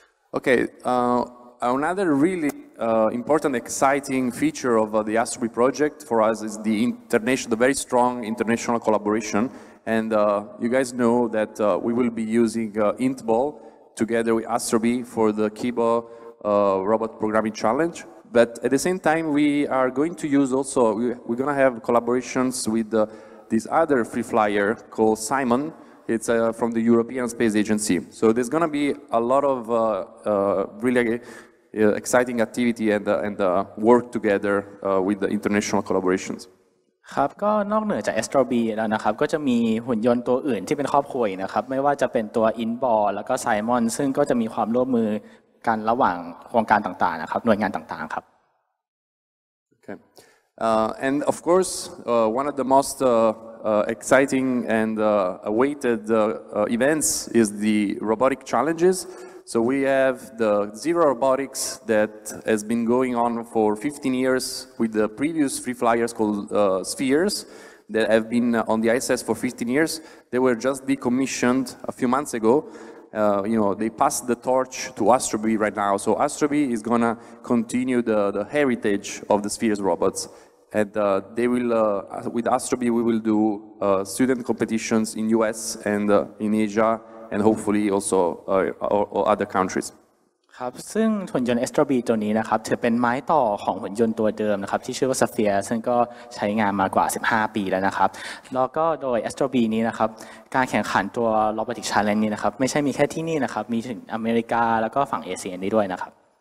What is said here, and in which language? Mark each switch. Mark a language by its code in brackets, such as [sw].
[en] โอเค another really important exciting feature of the AstroB project for us is the international the very strong international collaboration and you guys know that we will be using Intball together with AstroB for the KIBO robot programming challenge but at the same time we are going to use also we're going to have collaborations with this other free flyer called Simon it's from the European Space Agency so there's going to be a lot of really exciting activity and work together with the international collaborations [th] ครับก็นอกเหนือจาก AstroB แล้วนะครับก็จะมีหุ่นยนต์ตัวอื่นที่เป็นครอบครัวนะครับไม่ว่าจะเป็นตัว Inball แล้วก็ Simon ซึ่งก็จะมีความร่วมมือการระหว่างโครงการต่างๆนะครับหน่วยงานต่างๆครับ [en] Okay. And of course, one of the most exciting and awaited events is the robotic challenges. So we have the Zero Robotics that has been going on for 15 years with the previous free flyers called Spheres that have been on the ISS for 15 years. They were just decommissioned a few months ago. You know, they passed the torch to AstroB right now. So AstroB is going to continue the heritage of the Spheres robots. And they will, with AstroB, we will do student competitions in US and in Asia, and hopefully also or other countries. [th] ครับซึ่งหุ่นยนต์ AstroB ตัวนี้นะครับถือเป็นไม้ต่อของหุ่นยนต์ตัวเดิมนะครับที่ชื่อว่า Sphere ซึ่งก็ใช้งานมากว่า15ปีแล้วนะครับแล้วก็โดย AstroB นี้นะครับการแข่งขันตัว Robotic Challenge นี้นะครับไม่ใช่มีแค่ที่นี่นะครับมีถึงอเมริกาแล้วก็ฝั่งเอเชียด้วยนะครับ